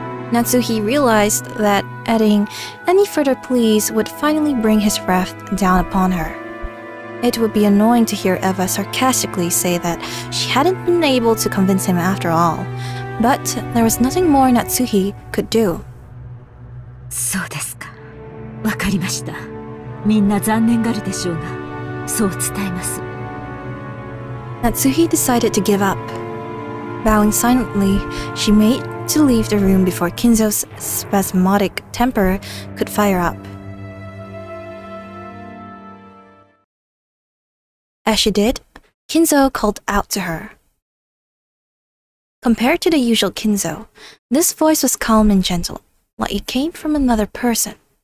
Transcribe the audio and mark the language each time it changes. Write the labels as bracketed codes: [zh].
[en] Natsuhi realized that adding any further pleas would finally bring his wrath down upon her. It would be annoying to hear Eva sarcastically say that she hadn't been able to convince him after all, but there was nothing more Natsuhi could do. [ja] そうですか。わかりました。みんな残念がるでしょうが、そう伝えます。 [en] Natsuhi decided to give up. Bowing silently, she made to leave the room before Kinzo's spasmodic temper could fire up. As she did, Kinzo called out to her. Compared to the usual Kinzo, this voice was calm and gentle, like it came from another person.